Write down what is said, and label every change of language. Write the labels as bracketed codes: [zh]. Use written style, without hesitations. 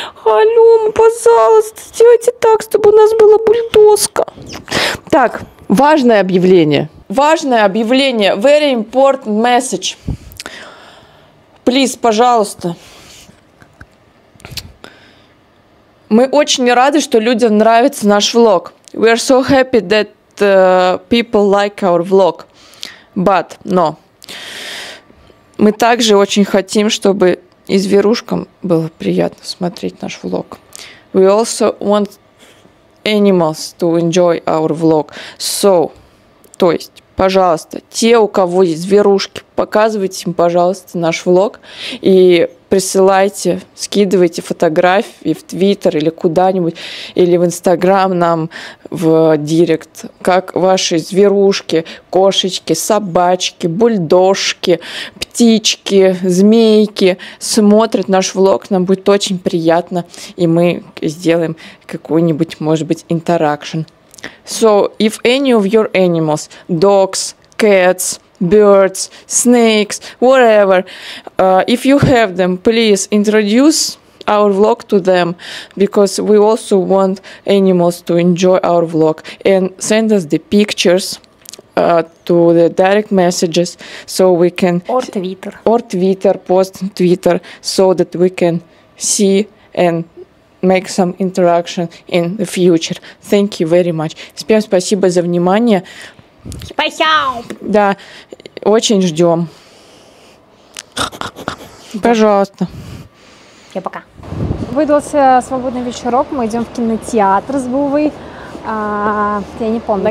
[ru] Халюма, пожалуйста, сделайте так, чтобы у нас была бульдозка. Так, важное объявление. Важное объявление. [en] Very important message. Плиз, пожалуйста. [ru] Мы очень рады, что людям нравится наш влог. [en] We are so happy that people like our vlog. But, но. [ru] Мы также очень хотим, чтобы и зверушкам было приятно смотреть наш влог. [en] We also want animals to enjoy our vlog. So, то есть... [ru] Пожалуйста, те, у кого есть зверушки, показывайте им, пожалуйста, наш влог и присылайте, скидывайте фотографии в Твиттер или куда-нибудь, или в Инстаграм нам в Директ, как ваши зверушки, кошечки, собачки, бульдожки, птички, змейки смотрят наш влог, нам будет очень приятно, и мы сделаем какой-нибудь, может быть, интеракшн. [en] So, if any of your animals, dogs, cats, birds, snakes, whatever, if you have them, please introduce our vlog to them, because we also want animals to enjoy our vlog, and send us the pictures to the direct messages, so we can post on Twitter, so that we can see and make some interaction in the future. Thank you very much. [ru] Всем спасибо за внимание. Спасибо. Да, очень ждем. Пожалуйста. Я пока. Выдался свободный вечерок. Мы идем в кинотеатр с Бувой. Я не помню,